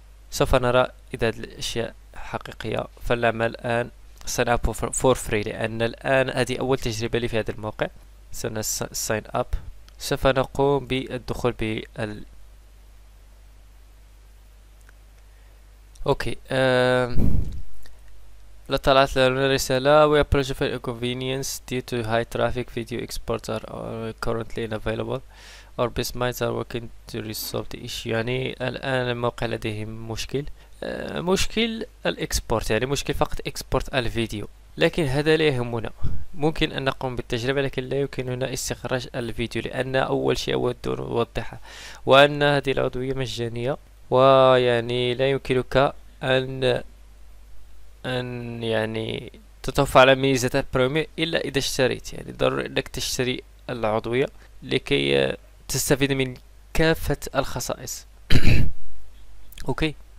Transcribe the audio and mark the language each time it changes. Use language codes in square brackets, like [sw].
[ar] سوف نرى إذا الأشياء حقيقية. فلنعمل الآن [en] sign up for free، [ar] لأن الآن هذه أول تجربة لي في هذا الموقع. سن [en] sign up، [ar] سوف نقوم بالدخول بال أوكي. لا طلعت لنا رسالة. [en] We are pressured for inconvenience due to high traffic. Video exports are currently unavailable. Our best minds are working to resolve the issue. [ar] يعني الآن الموقع لديه مشكل. مشكل الاكسبورت، يعني مشكل فقط اكسبورت الفيديو، لكن هذا لا يهمنا. ممكن ان نقوم بالتجربة لكن لا يمكننا استخراج الفيديو، لان اول شيء اود ان اوضحه وان هذه العضوية مجانية، ويعني لا يمكنك ان يعني تتوفر على ميزة البريمير الا اذا اشتريت، يعني ضروري انك تشتري العضوية لكي تستفيد من كافة الخصائص. اوكي.